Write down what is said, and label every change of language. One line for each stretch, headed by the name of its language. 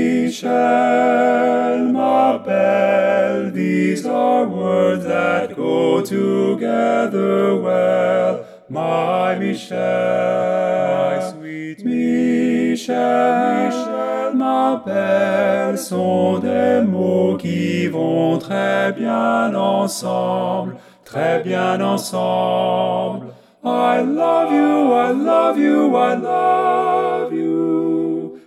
English: Michel, ma belle, these are words that go together well. My Michel, my sweet
French: Michel, ma belle, sont des mots qui vont très bien ensemble. Très bien ensemble.
English: I love you, I love you, I love you.